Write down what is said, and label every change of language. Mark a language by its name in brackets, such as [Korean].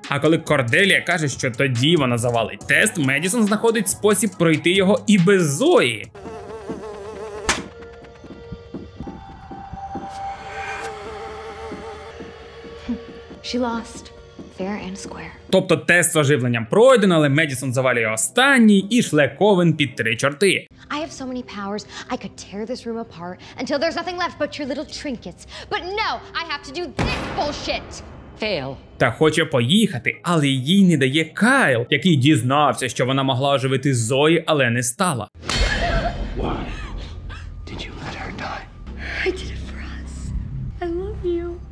[Ukrainian] А коли Корделія каже, що тоді вона завалить тест, Медісон знаходить спосіб пройти його і без Зої. [English] She lost. Fair and square. [Ukrainian] Тобто тест з оживленням пройден, але Медісон завалює останній і шле Ковен під три чорти. [English] I have so many powers, I could tear this room apart until there's nothing left but your little trinkets. But no, I have to do this bullshit. Fail. [Ukrainian] Та хоче поїхати, але їй не дає Кайл, який дізнався, що вона могла оживити Зої, але не стала. [English] Why did you let her die? I did it for us. I love you.